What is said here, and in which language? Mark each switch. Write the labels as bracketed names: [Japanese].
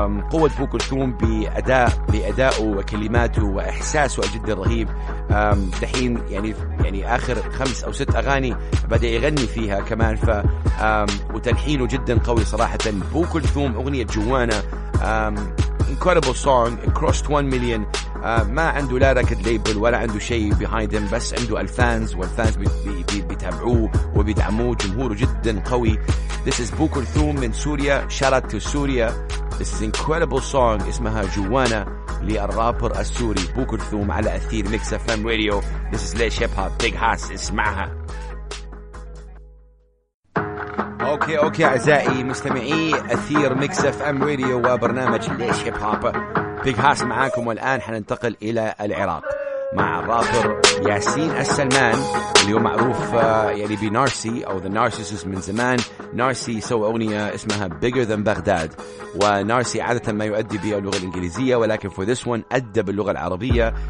[Arabic] قوة بوكلثوم بأدائه وكلماته وإحساسه جدا رهيب. دحين يعني آخر 5 أو 6 أغاني بدأ يغني فيها كمان، وتلحينه جدا قوي صراحة. بوكلثوم أغنية جوانا [English] incredible song، it crossed 1 million. [Arabic] ما عنده لا ركد ليبل ولا عنده شيء [English] behind him، [Arabic] بس عنده الفانز، والفانز بيتابعوه وبيدعموه، جمهوره جدا قوي. [English] This is [Arabic] بوكلثوم من سوريا، [English] shout out to سوريا. This is incredible song [Arabic] اسمها جوانا للرابر السوري بوكلثوم على أثير Mix FM Radio. [English] This is Laish Hip Hop، big hats [Arabic] اسمعها. أوكي أوكي أعزائي مستمعي أثير Mix FM Radio وبرنامج Laish Hip Hop، big hats معاكم. والآن حننتقل إلى العراق مع الرابر ياسين السلمان، اللي هو معروف يعني بنارسي أو The Narcissist من زمان. نارسي سوى أغنية اسمها Bigger Than Baghdad، ونارسي عادة ما يؤدي بها اللغة الإنجليزية، ولكن [English] for this one [Arabic] أدى باللغة العربية.